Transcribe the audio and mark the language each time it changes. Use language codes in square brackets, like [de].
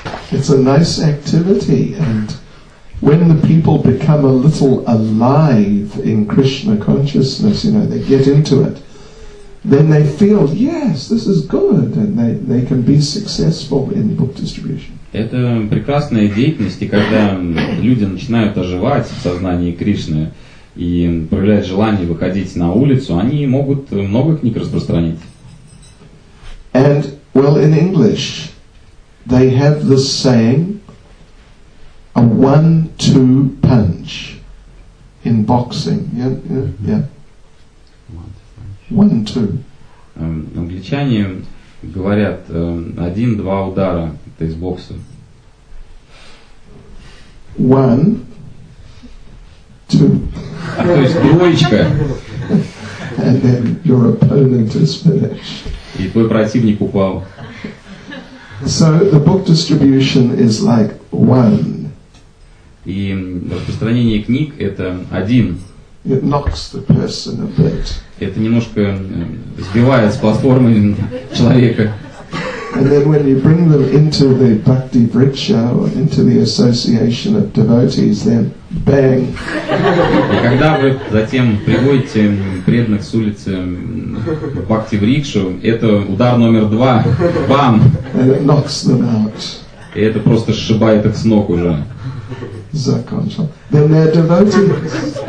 [en] It's a nice activity, and when the people become a little alive in Krishna consciousness, you know, they get into it. Then they feel, yes, this is good, and they can be successful in book distribution. [ru] Это прекрасная деятельность, и когда люди начинают оживать в сознании Кришны и проявляют желание выходить на улицу, они могут много книг распространить. [en] And well, in English, they have this saying, a 1-2 punch in boxing. Yeah, yeah, yeah. One, two. [ru] Англичане говорят 1-2 удара, это из бокса. [en] One, two. [ru] А то есть двоечка. [en] And then your opponent is finished. [ru] И твой противник упал. [en] So the book distribution is like one. [ru] И распространение книг это один. [en] It knocks the person a bit. [ru] Это немножко сбивает с платформы человека. [en] And then when you bring them into the Bhakti Vriksha or into the association of devotees, then bang. [ru] И когда вы затем приводите преданных с улицы в Бхакти Врикшу, это удар номер два. Бам! [en] And it knocks them out. [ru] И это просто сшибает их с ног уже. Закончил. [en] Then they're devotees.